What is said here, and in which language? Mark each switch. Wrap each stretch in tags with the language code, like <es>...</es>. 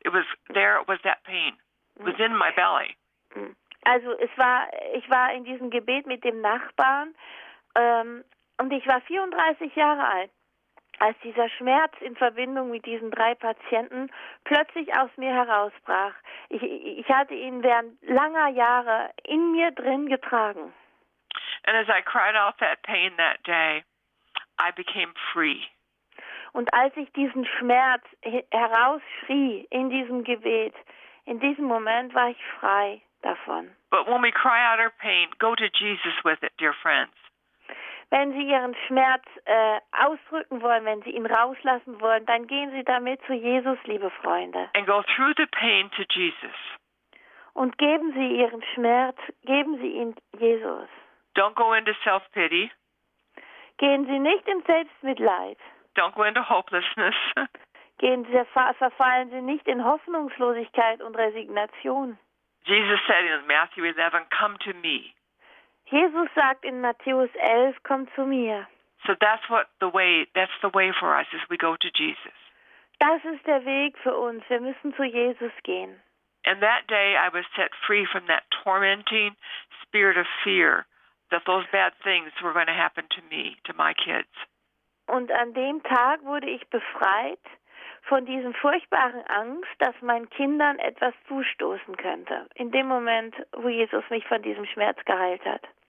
<en>It was that pain. It was in my belly.</en> <de>Also ich war in diesem Gebet mit dem Nachbarn. Und ich war 34 Jahre alt, als dieser Schmerz in Verbindung mit diesen drei Patienten plötzlich aus mir herausbrach. Ich hatte ihn während langer Jahre in mir drin getragen.</de> <en>And as I cried out that pain that day, I became free.</en> <de>Und als ich diesen Schmerz herausschrie in diesem Gebet, in diesem Moment war ich frei davon.</de> <en>But when we cry out our pain, go to Jesus with it, dear friends.</en> <de>Wenn Sie Ihren Schmerz ausdrücken wollen, wenn Sie ihn rauslassen wollen, dann gehen Sie damit zu Jesus, liebe Freunde.</de> <en>And go through the pain to Jesus.</en> <de>Und geben Sie Ihren Schmerz, geben Sie ihn Jesus.</de> <en>Don't go into self-pity.</en> <de>Gehen Sie nicht in Selbstmitleid.</de> <en>Don't go into hopelessness.</en> <de>Verfallen Sie nicht in Hoffnungslosigkeit und Resignation.</de> <en>Jesus said in Matthew 11, come to me.</en> <de>Jesus sagt in Matthäus 11, komm zu mir.</de> <en>So that's the way for us is we go to Jesus.</en> <de>Das ist der Weg für uns. Wir müssen zu Jesus gehen.</de> <en>And that day I was set free from that tormenting spirit of fear that those bad things were going to happen to me, to my kids.</en> <de>Und an dem Tag wurde ich befreit von diesem furchtbaren Angst, dass meinen Kindern etwas zustoßen könnte, in dem Moment, wo Jesus mich von diesem Schmerz geheilt hat.</de>